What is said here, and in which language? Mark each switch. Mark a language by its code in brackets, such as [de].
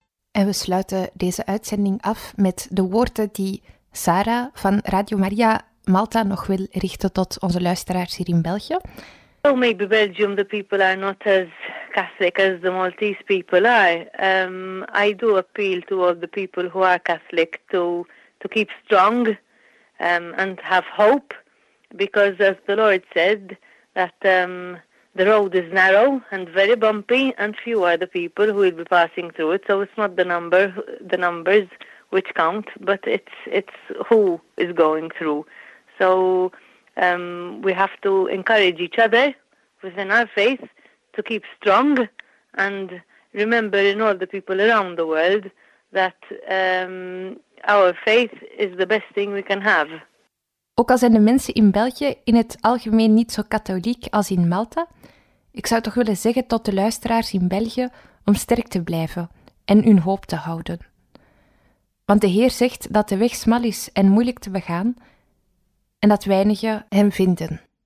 [nl] En we sluiten deze uitzending af met de woorden die Sarah van Radio Maria Malta nog wil richten tot onze luisteraars hier in België. [en] Well, maybe Belgium, the people are not as Catholic as the Maltese people are. I do appeal to all the people who are Catholic to keep strong and have hope, because as the Lord said, that The road is narrow and very bumpy, and few are the people who will be passing through it. So it's not the number, the numbers which count, but it's who is going through. So we have to encourage each other within our faith to keep strong and remember in all the people around the world that our faith is the best thing we can have. [nl] Ook al zijn de mensen in België in het algemeen niet zo katholiek als in Malta, ik zou toch willen zeggen tot de luisteraars in België om sterk te blijven en hun hoop te houden. Want de Heer zegt dat de weg smal is en moeilijk te begaan en dat weinigen hem vinden.